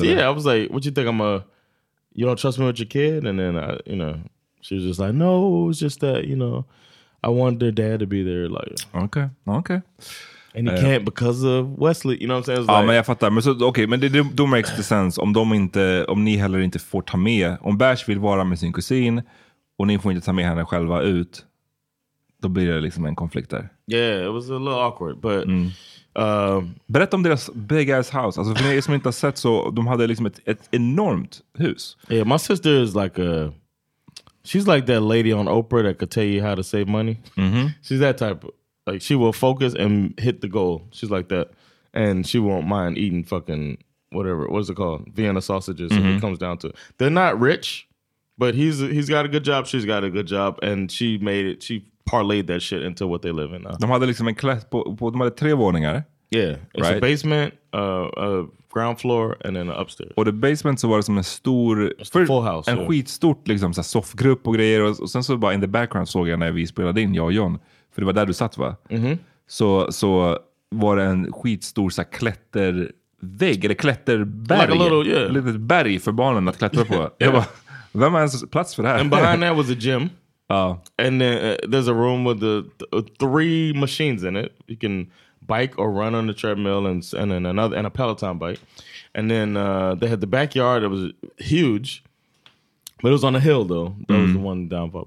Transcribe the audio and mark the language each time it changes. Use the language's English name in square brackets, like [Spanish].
[English] Yeah, I was like, what you think I'm a? You don't trust me with your kid? And then I, you know, she was just like, no, it's just that, you know, I wanted their dad to be there. Like, okay. And he can't because of Wesley, you know what I'm saying? [Swedish] Ja, men jag fattar. Men då [English] makes the sense. [Swedish] Om ni heller inte får ta med, om Bash vill vara med sin kusin och ni får inte ta med henne själva ut, då blir det liksom en konflikt där. [English] Yeah, it was a little awkward, but [Swedish] berätta om deras [English] big ass house. [Swedish] Alltså för ni som inte har sett, så de hade liksom ett enormt hus. [English] Yeah, my sister is like she's like that lady on Oprah that could tell you how to save money. Mm-hmm. She's that type of, like, she will focus and hit the goal. She's like that. And she won't mind eating fucking whatever. What is it called? Vienna sausages. Mm-hmm. If it comes down to it. They're not rich, but he's got a good job. She's got a good job. And she made it. She parlayed that shit into what they live in now. [Swedish] De hade liksom en klass på de hade tre våningar. [English] Yeah. It's right? A basement, a ground floor, and then an upstairs. [Swedish] Och det basement så var det som en stor... [English] Full house. [Swedish] En skitstort liksom, så soffgrupp och grejer. Och sen så bara [English] in the background [Swedish] såg jag när vi spelade in, jag och John. För det var där du satt, va? Mm-hmm. Så var det en skitstor så här, klättervägg, eller klätterberg. [English] Like a little, yeah. [Swedish] Ett litet berg för barnen att klättra på. [English] Yeah. [Swedish] Jag bara, vem har ens plats för det här? [English] And behind that was a gym. Oh. And then, there's a room with three machines in it. You can bike or run on the treadmill and a Peloton bike. And then they had the backyard. It was huge. But it was on a hill, though. That was the one downfall.